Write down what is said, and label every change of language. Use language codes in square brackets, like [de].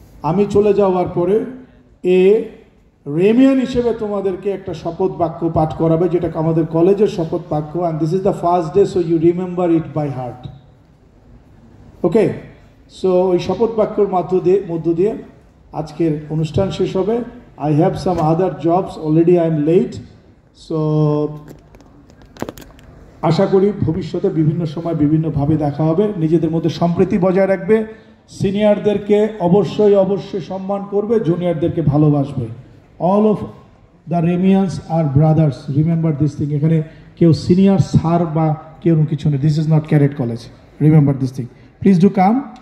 [bn] আমি চলে যাওয়ার পরে এ রেমিয়ান হিসেবে তোমাদেরকে একটা শপথ বাক্য পাঠ করাবে, যেটা আমাদের কলেজের শপথ বাক্য, [en] And this is the first day, so you remember it by heart, okay? [bn] So ওই শপথ বাক্যর মধ্য দিয়ে আজকের অনুষ্ঠান শেষ হবে। [en] I have some other jobs already, I am late, so [bn] আশা করি ভবিষ্যতে বিভিন্ন সময় বিভিন্নভাবে দেখা হবে। নিজেদের মধ্যে সম্প্রীতি বজায় রাখবে, সিনিয়রদেরকে অবশ্যই অবশ্যই সম্মান করবে, জুনিয়রদেরকে ভালোবাসবে। [en] all of the Remians are brothers, remember this thing, [bn] এখানে কেউ সিনিয়র স্যার বা কেউ কিছু নেই, [en] This is not cadet college, remember this thing, please do come.